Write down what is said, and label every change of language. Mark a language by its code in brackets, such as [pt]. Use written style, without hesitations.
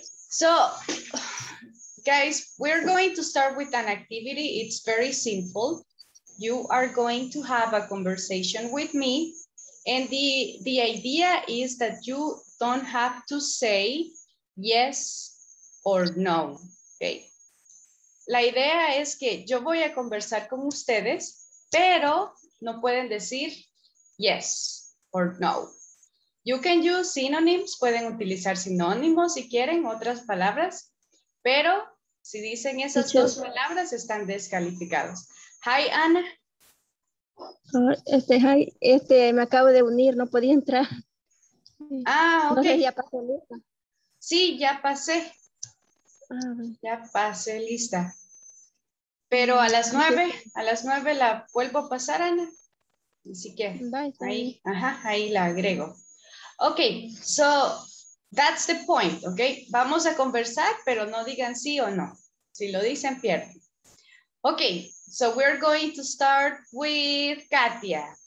[en] So, guys, we're going to start with an activity. It's very simple. You are going to have a conversation with me. And the idea is that you don't have to say yes or no, okay? [es] La idea es que yo voy a conversar con ustedes, pero no pueden decir [en] yes or no. You can use synonyms, [es] pueden utilizar sinónimos si quieren, otras palabras, pero si dicen esas dos palabras, están descalificados. [en] Hi, [es] Ana. [en] Hi, [es] me acabo de unir, no podía entrar. Ah, ok. No sé, ya pasé lista. Sí, ya pasé. Ya pasé lista. Pero a las nueve la vuelvo a pasar, Ana. Así que ahí la agrego. [en] Ok, so that's the point, ok. [es] Vamos a conversar, pero no digan sí o no. Si lo dicen, pierden. [en] Ok, so we're going to start with Katia.